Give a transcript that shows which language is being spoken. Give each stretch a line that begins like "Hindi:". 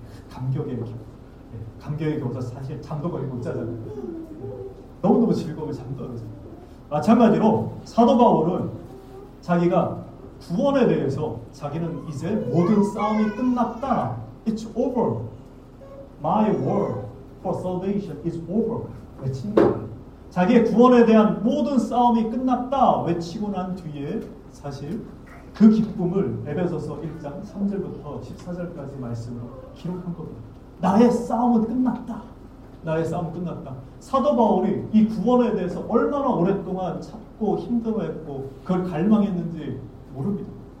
Korean: 감격의 기쁨. 네. 감격의 기쁨. 사실 잠도 거의 못 자잖아요. 네. 너무너무 즐거우면 잠도 안 자요. 마찬가지로 사도 바울은 자기가 구원에 대해서 자기는 이제 모든 싸움이 끝났다.
English: It's over. My war for salvation is over.
Korean: 외친 거예요. 자기의 구원에 대한 모든 싸움이 끝났다 외치고 난 뒤에 사실 그 기쁨을 에베소서 1장 3절부터 14절까지 말씀으로 기록한 겁니다. 나의 싸움은 끝났다. 나의 싸움은 끝났다. 사도 바울이 이 구원에 대해서 얼마나 오랫동안 찾고 힘들어했고 그걸 갈망했는지 모릅니다.